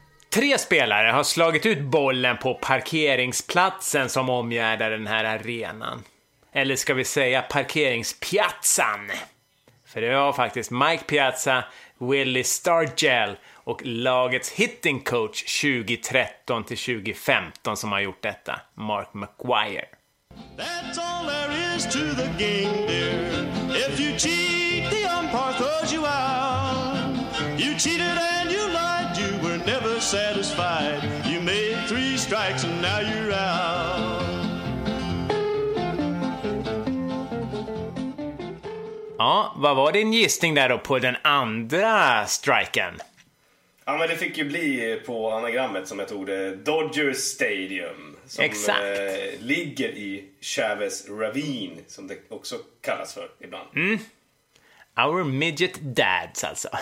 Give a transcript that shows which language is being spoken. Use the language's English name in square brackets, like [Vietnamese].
[Swedish] Tre spelare har slagit ut bollen på parkeringsplatsen som omgärdar den här arenan. Eller ska vi säga parkeringspiazzan? För det var faktiskt Mike Piazza, Willie Stargell och lagets hitting coach 2013-2015 som har gjort detta, Mark McGuire. [English] That's all there is to the game, dear. If you cheat, the umpire throws you out. You cheated and you lost. Never satisfied. You made three strikes and now you're out. [Swedish] Ja, vad var din gissning där då på den andra striken? Ja, men det fick ju bli på anagrammet som jag tog det, Dodger Stadium. Som exakt. Ligger i Chavez Ravine, som det också kallas för ibland. Mm. Our Midget Dads alltså.